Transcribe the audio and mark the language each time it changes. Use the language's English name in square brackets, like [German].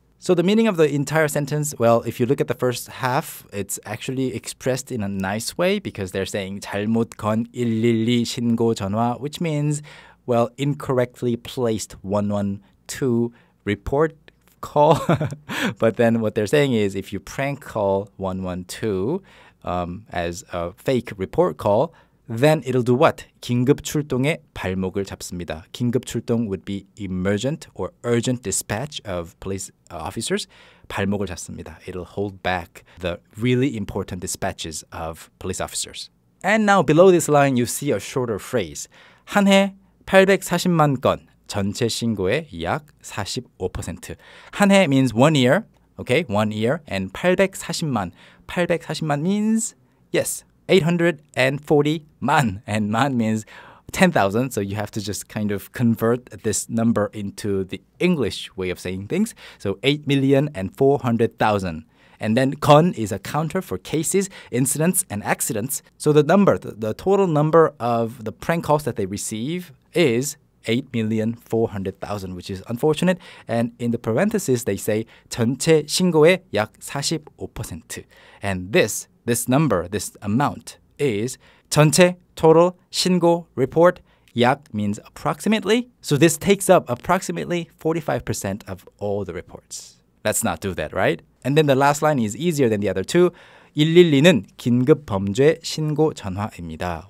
[English] So the meaning of the entire sentence, well, if you look at the first half, it's actually expressed in a nice way because they're saying [Korean] 잘못 건 112 신고 전화, [English] which means, well, incorrectly placed 112 report call. But then what they're saying is if you prank call 112 as a fake report call, then it'll do what? [Korean] 긴급 출동에 발목을 잡습니다. 긴급 출동 [English] would be emergent or urgent dispatch of police officers. [Korean] 발목을 잡습니다. [English] It'll hold back the really important dispatches of police officers. And now below this line, you see a shorter phrase. [Korean] 한 해 840만 건, 전체 신고의 약 45%. 한 해 [English] means 1 year, okay, 1 year, and 840만. 840만 means, yes, 840만, and man means 10,000, so you have to just kind of convert this number into the English way of saying things. So 8,400,000. And then 건 is a counter for cases, incidents, and accidents. So the number, the total number of the prank calls that they receive is 8,400,000, which is unfortunate. And in the parentheses, they say [Korean] 전체 신고의 약 45%. [English] And this number, this amount is 전체 total 신고 report 약 means approximately. So this takes up approximately 45% of all the reports. Let's not do that, right? And then the last line is easier than the other two. [Korean] 112는 긴급 범죄 신고 전화입니다.